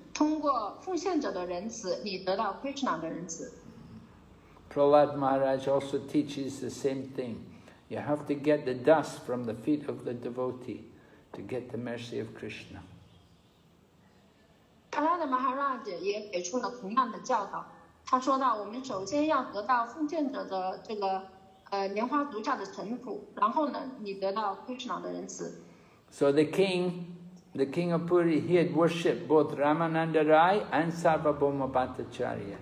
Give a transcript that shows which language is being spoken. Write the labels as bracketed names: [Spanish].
[Chinese] 通过奉献者的仁慈，你得到 Krishna 的仁慈。 [English] Prahlad Maharaj also teaches the same thing. You have to get the dust from the feet of the devotee to get the mercy of Krishna. [Chinese] Prahlad Maharaj 也给出了同样的教导。他说到，我们首先要得到奉献者的这个。莲花足下的尘土，然后呢，你得到 Krishna 的仁慈。 [English] So the king of Puri, he had worshipped both Ramananda Rai and Sarvabhauma Bhattacharya.